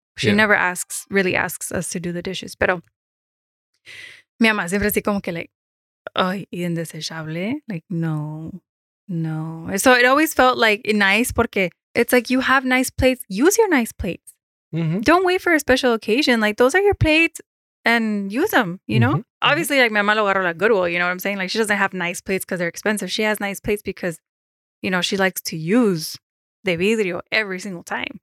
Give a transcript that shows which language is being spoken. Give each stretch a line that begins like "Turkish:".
English: She never really asks us to do the dishes.
Spanish: Pero mi mamá siempre así como que like, ay, indesechable.
English: Like, no. So it always felt like nice
Spanish: porque
English: it's like you have nice plates. Use your nice plates. Mm-hmm. Don't wait for a special occasion. Like, those are your plates and use them, you know? Mm-hmm. Obviously, like,
Spanish: mi mamá lo agarró la Goodwill,
English: you know what I'm saying? Like, she doesn't have nice plates because they're expensive. She has nice plates because, you know, she likes to use
Spanish: de vidrio
English: every single time.